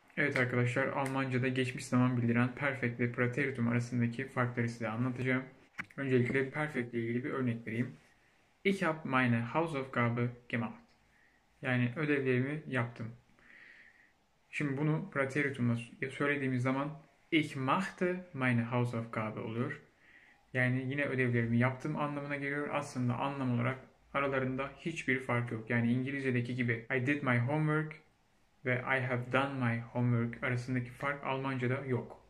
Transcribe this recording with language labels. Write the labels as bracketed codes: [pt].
[tr] Evet arkadaşlar, Almanca'da geçmiş zaman bildiren perfekt ve preteritum arasındaki farkları size anlatacağım. Öncelikle perfect ile ilgili bir örnek vereyim. [de] Ich habe meine Hausaufgabe gemacht. [tr] Yani ödevlerimi yaptım. Şimdi bunu preteritumla söylediğimiz zaman [de] Ich machte meine Hausaufgabe [tr] oluyor. Yani yine ödevlerimi yaptım anlamına geliyor. Aslında anlam olarak aralarında hiçbir fark yok. Yani İngilizce'deki gibi [en] I did my homework [tr] ve [en] I have done my homework [tr] arasındaki fark Almanca'da yok.